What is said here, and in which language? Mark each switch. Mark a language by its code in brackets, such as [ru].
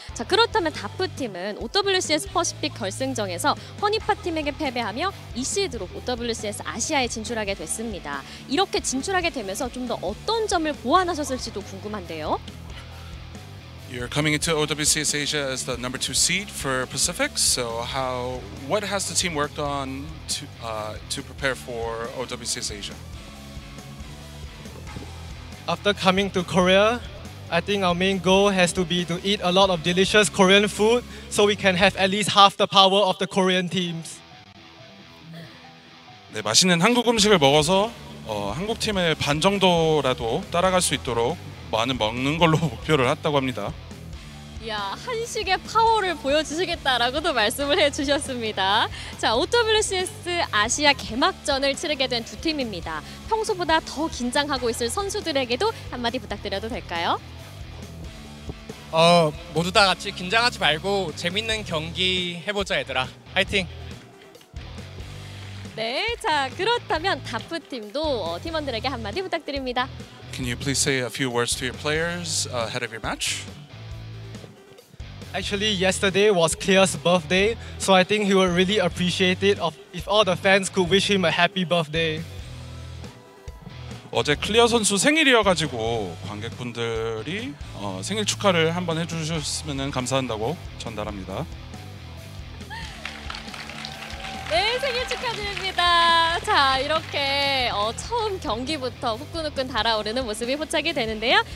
[ko] 자, 그렇다면 다프팀은 OWCS 퍼시픽 결승전에서 허니팟팀에게 패배하며 2시드로 OWCS 아시아에 진출하게 됐습니다. 이렇게 진출하게 되면서 좀 더 어떤 점을 보완하셨을지도 궁금한데요. [en] You're coming into OWCS Asia as the number 2 seed for Pacific. So, what has the team worked on to prepare for OWCS Asia? After coming to Korea, I think our main goal has to be to eat a lot of delicious Korean food so we can have at least half the power of the Korean teams. [ko] 네, 맛있는 한국 음식을 먹어서 한국 팀의 반 정도라도 따라갈 수 있도록 많은 먹는 걸로 목표를 했다고 합니다. 이야, 한식의 파워를 보여주시겠다라고도 말씀을 해주셨습니다. 자, OWCS 아시아 개막전을 치르게 된 두 팀입니다. 평소보다 더 긴장하고 있을 선수들에게도 한마디 부탁드려도 될까요? 모두 다 같이 긴장하지 말고 재밌는 경기 해보자, 얘들아. 화이팅! 네, 자, 그렇다면 다프팀도 팀원들에게 한마디 부탁드립니다. [en] Can you please say a few words to your players ahead of your match? Actually, yesterday was Clear's birthday, so I think he would really appreciate it if all the fans could wish him a happy birthday. [ko] 어제 클리어 선수 생일이어가지고 관객분들이 생일 축하를 한번 해주셨으면 감사한다고 전달합니다. 네, 생일 축하드립니다. 자, 이렇게 처음 경기부터 후끈후끈 달아오르는 모습이 포착이 되는데요.